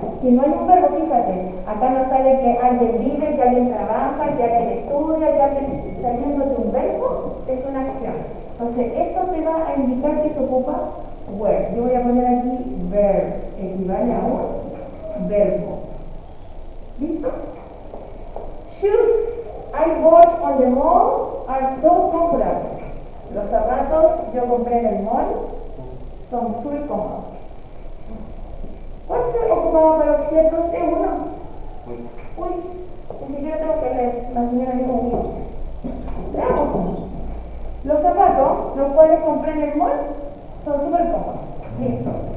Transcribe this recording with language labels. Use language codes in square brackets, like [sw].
[es] Si no hay un verbo, fíjate, acá no sale que alguien vive, que alguien trabaja, que alguien estudia, que alguien... Saliendo de un verbo, es una acción. Entonces, eso te va a indicar que se ocupa where. Yo voy a poner aquí verb, equivale a un verbo. [en] Shoes I bought on the mall are so comfortable. [es] Los zapatos yo compré en el mall son muy cómodos. ¿Cuál es el ocupado para objetos? Es uno. Which. Ni siquiera tengo que leer. La señora dijo which. Veamos. Los zapatos, los cuales compré en el mall, son súper cómodos. Listo.